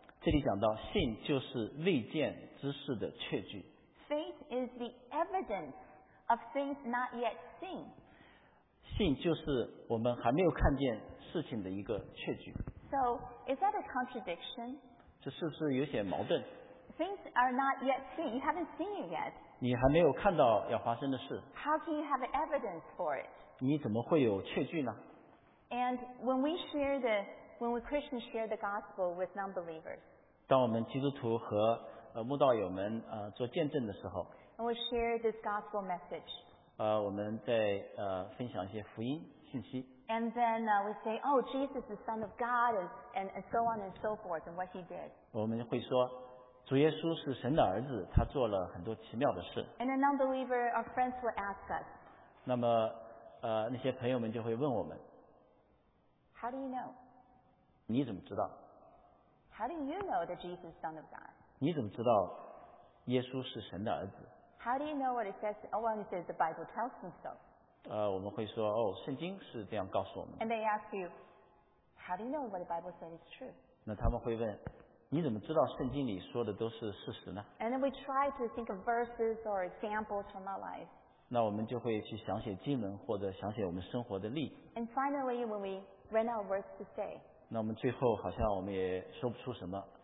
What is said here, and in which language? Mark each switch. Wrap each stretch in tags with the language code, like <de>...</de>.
<zh>这里讲到信就是未见之事的确据。</zh> <en>Faith is the evidence of things not yet seen.</en> <zh>信就是我们还没有看见事情的一个确据。</zh> <en>So, is that a contradiction?</en> <zh>这是不是有些矛盾?</zh> <en>Things are not yet seen. You haven't seen it yet.</en> <zh>你还没有看到要发生的事。</zh> <en>How can you have evidence for it?</en> <zh>你怎么会有确据呢?</zh> <en>And when we Christians share the gospel with non-believers,</en> <zh>当我们基督徒和慕道友们做见证的时候,</zh> <en>and we share this gospel message,</en> <zh>我们在分享一些福音信息。</zh> <en>And then we say, oh, Jesus is the Son of God, and so on and so forth, and what He did.</en> <zh>我们会说，主耶稣是神的儿子，他做了很多奇妙的事。</zh> <en>And a non-believer, our friends will ask us.</en> <zh>那么，那些朋友们就会问我们。</zh> <en>How do you know?</en> <zh>你怎么知道？</zh> <en>How do you know that Jesus is the Son of God?</en> <zh>你怎么知道耶稣是神的儿子？</zh> <en>How do you know what it says? Oh, well, it says the Bible tells me so.</en> <zh>我们会说哦，圣经是这样告诉我们的。</zh> <en>And they ask you, how do you know what the Bible says is true?</en> <zh>那他们会问，你怎么知道圣经里说的都是事实呢？</zh> <en>And then we try to think of verses or examples from our life.</en> <zh>那我们就会去想写经文或者想写我们生活的例子。</zh> <en>And finally, when we ran out of words to say,</en> <zh>那我们最后好像我们也说不出什么。</zh>